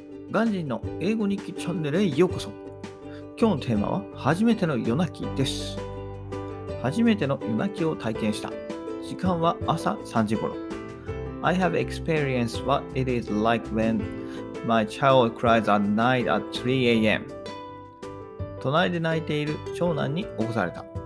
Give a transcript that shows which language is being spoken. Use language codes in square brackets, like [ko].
[ja] ガンジンの英語日記チャンネルへようこそ。今日のテーマは初めての夜泣きです。初めての夜泣きを体験した。時間は朝3時頃。 [en] I have experienced what it is like when my child cries at night at 3 a.m. [ja] 隣で泣いている長男に起こされた。